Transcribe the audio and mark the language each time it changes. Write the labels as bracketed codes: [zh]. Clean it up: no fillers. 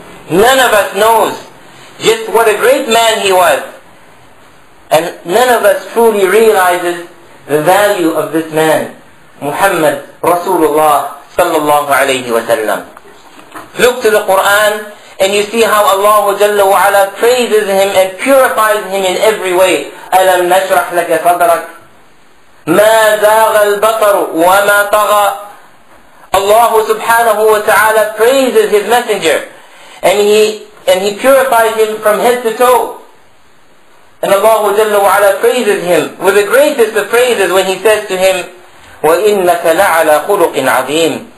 [en] None of us knows just what a great man he was, and none of us truly realizes the value of this man Muhammad Rasulullah sallallahu alayhi wa sallam. Look to the Quran and you see how Allah jalla wa ala praises him and purifies him in every way. [ar] Alam nashrah laka sadrak, مَا زَاغَ الْبَطَرُ وَمَا طَغَى. [en] Allah subhanahu wa ta'ala praises his messenger and he purifies him from head to toe. And Allah jalla wa ala praises him with the greatest of praises when he says to him, [ar] وَإِنَّكَ لَعَلَى خُلُقٍ عَظِيمٍ.